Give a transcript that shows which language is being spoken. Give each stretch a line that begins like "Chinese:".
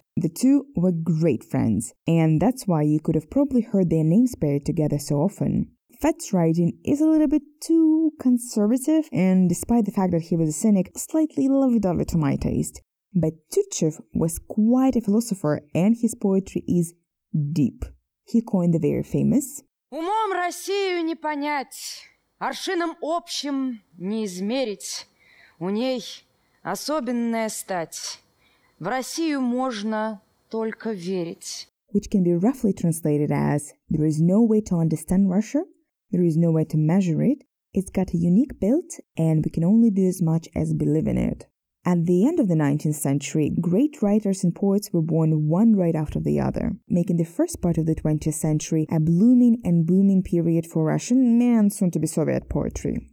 English: The two were great friends, and that's why you could have probably heard their names paired together so often. Fet's writing is a little bit too conservative, and despite the fact that he was a cynic, slightly lovey-dovey to my taste. But Tutchev was quite a philosopher, and his poetry is deep. He coined the very famous,
Russian: Умом Россию не понять! Аршином общим не измерить, у ней особенная стать. В Россию можно только верить.
English: Which can be roughly translated as, there is no way to understand Russia, there is no way to measure it, it's got a unique build, and we can only do as much as believe in it. At the end of the 19th century, great writers and poets were born one right after the other, making the first part of the 20th century a blooming and booming period for Russian and soon-to-be Soviet poetry.